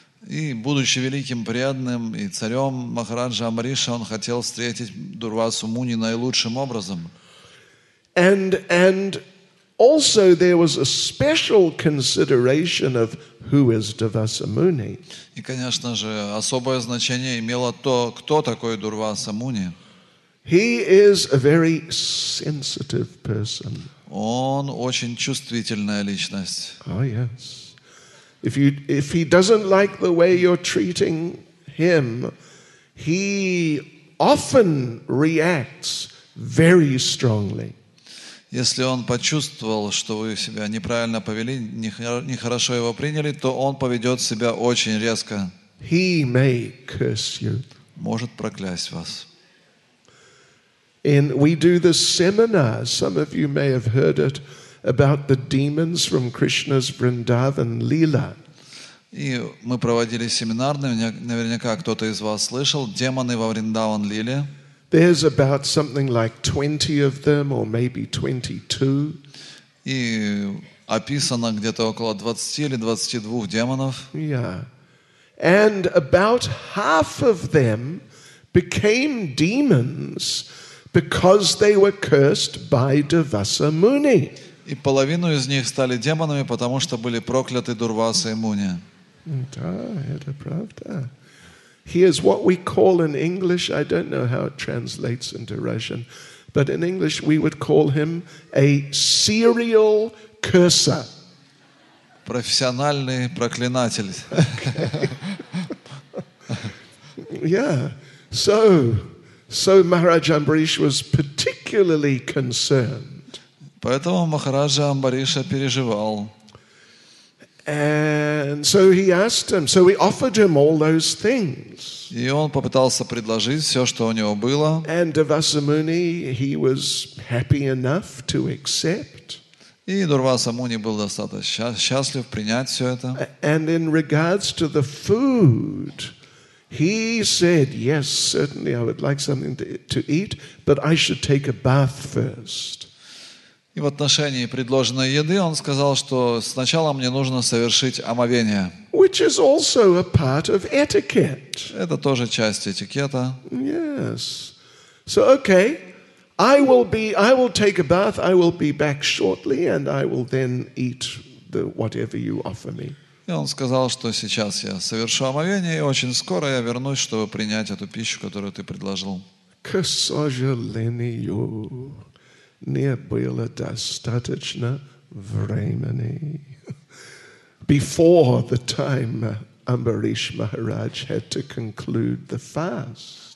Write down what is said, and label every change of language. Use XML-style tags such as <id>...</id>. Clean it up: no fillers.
<ru>И, будучи великим преданным и царем Махараджа Амриша, он хотел встретить Дурвасу Муни наилучшим образом.</ru> <en>And also there was a special consideration of who is Devasamuni.</en> <ru>И, конечно же, особое значение имело то, кто такой Дурваса Муни.</ru> <en>He is a very sensitive person.</en> <ru>Он очень чувствительная личность.</ru> <en>Oh, yes. If he doesn't like the way you're treating him, he often reacts very strongly.</en> <ru>Если он почувствовал, что вы себя неправильно повели, нехорошо его приняли, то он поведет себя очень резко.</ru> <en>He may curse you.</en> <ru>Может проклясть вас.</ru> <en>And we do this seminar, some of you may have heard it, about the demons from Krishna's Vrindavan Leela.</en> <ru>И мы проводили семинар, наверняка кто-то из вас слышал, демоны во Вриндаван Лиле.</ru> <en>There's about something like 20 of them, or maybe 22.</en> <ru>И описано где-то около 20 или 22 демонов.</ru> <en>Yeah. And about half of them became demons because they were cursed by Devasa Muni.</en> <ru>И половину из них стали демонами, потому что были прокляты Дурвасой Муни. Да, это правда.</ru> <en>Here's what we call in English, I don't know how it translates into Russian, but in English we would call him a serial cursor.</en> <ru>Профессиональный проклинатель.</ru> <en>Okay. Yeah. So Maharaj Ambarish was particularly concerned.</en> <ru>Поэтому Махараджа Амбариша переживал.</ru> <en>And so he asked him, so he offered him all those things.</en> <ru>И он попытался предложить все, что у него было.</ru> <en>And Devasamuni, he was happy enough to accept.</en> <ru>И Дурвасамуни был достаточно счастлив принять все это.</ru> <en>And in regards to the food, he said, yes, certainly I would like something to eat, but I should take a bath first.</en> <ru>И в отношении предложенной еды он сказал, что сначала мне нужно совершить омовение.</ru> <en>Which is also a part of etiquette.</en> <ru>Это тоже часть этикета.</ru> <en>Yes. So, okay. I will take a bath, I will be back shortly, and I will then eat whatever you offer me.</en> <ru>И он сказал, что сейчас я совершу омовение, и очень скоро я вернусь, чтобы принять эту пищу, которую ты предложил. К сожалению, не было достаточно времени.</ru> <en>Before the time Ambarish Maharaj had to conclude the fast.</en>